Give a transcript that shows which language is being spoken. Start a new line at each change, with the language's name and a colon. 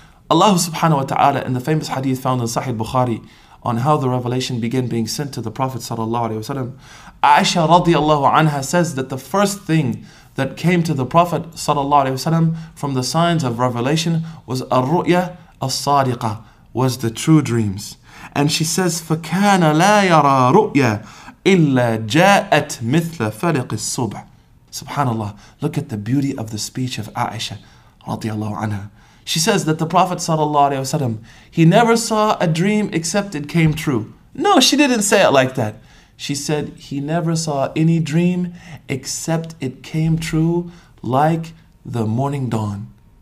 English: Allah subhanahu wa ta'ala, in the famous hadith found in Sahih Bukhari on how the revelation began being sent to the Prophet sallallahu alayhi wa sallam, Aisha radiallahu anha says that the first thing that came to the Prophet sallallahu alayhi wa sallam from the signs of revelation was al-ru'ya al-sadiqah, was the true dreams. And she says,
Arabic: فَكَانَ لَا يَرَى رُؤْيَا إِلَّا جَاءَتْ مِثْلَ فَلِقِ الصُّبْحِ.
English: Subhanallah, look at the beauty of the speech of Aisha radiallahu anha. She says that the Prophet sallallahu alaihi wasallam, he never saw a dream except it came true. No, she didn't say it like that. She said he never saw any dream except it came true like the morning dawn.